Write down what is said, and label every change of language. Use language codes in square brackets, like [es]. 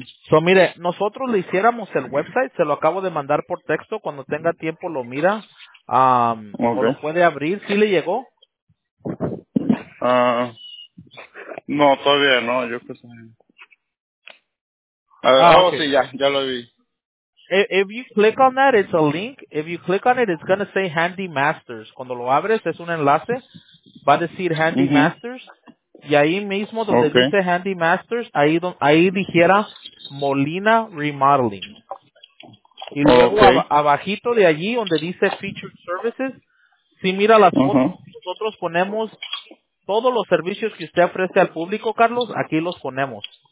[es] So, mire, nosotros le hiciéramos el website, se lo acabo de mandar por texto, cuando tenga tiempo lo mira, o lo puede abrir, ¿sí le llegó? No, todavía no, yo creo que sí, ya lo vi. [en] If you click on that, it's a link. If you click on it, it's going to say Handy Masters. [es] Cuando lo abres, es un enlace, va a decir Handy Masters. Y ahí mismo donde dice Handy Masters, ahí dijera Molina Remodeling. Y luego abajito de allí donde dice Featured Services, si mira las fotos, nosotros ponemos todos los servicios que usted ofrece al público, Carlos, aquí los ponemos.